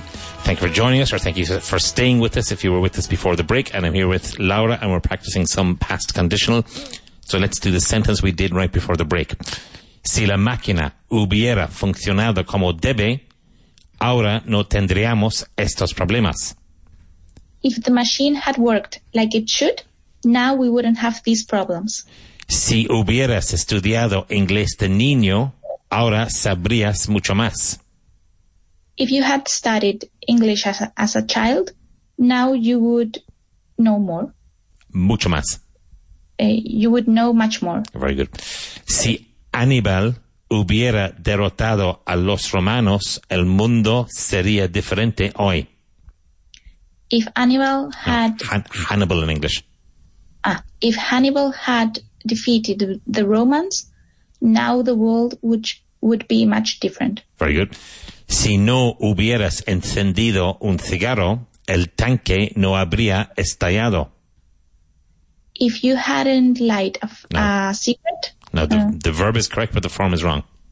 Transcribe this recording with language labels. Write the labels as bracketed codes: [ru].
[en] Thank you for joining us, or thank you for staying with us if you were with us before the break. And I'm here with Laura, and we're practicing some past conditional. So let's do the sentence we did right before the break. [es] Si la máquina hubiera funcionado como debe, ahora no tendríamos estos problemas. [en] If the machine had worked like it should, now we wouldn't have these problems. [es] Si hubieras estudiado inglés de niño, ahora sabrías mucho más. [en] If you had studied English as a child, now you would know more. [es] Mucho más. [en] You would know much more. Very good. [es] Si Aníbal hubiera derrotado a los romanos, el mundo sería diferente hoy. [en] If Aníbal had... Hannibal in English. If Hannibal had defeated the Romans, now the world would be much different. Very good. [es] Si no hubieras encendido un cigarro, el tanque no habría estallado. [en] If you hadn't lighted a cigarette... No, the verb is correct, but the form is wrong.